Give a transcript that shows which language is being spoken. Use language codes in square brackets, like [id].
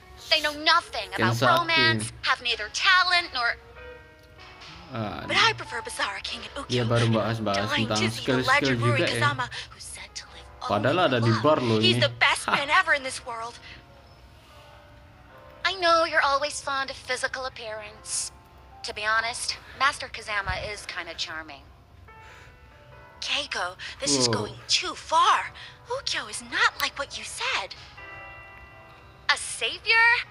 [en] They know nothing about romance, have neither talent nor. But I prefer Basara King and Ukyo. [id] Dia baru bahas tentang skill-skill juga ya. Padahal ada di bar loh ini. [en] He's the best man ever in this world. I know you're always fond of physical appearance. To be honest, Master Kazama is kind of charming. Keiko, this is going too far. Ukyo is not like what you said. A savior?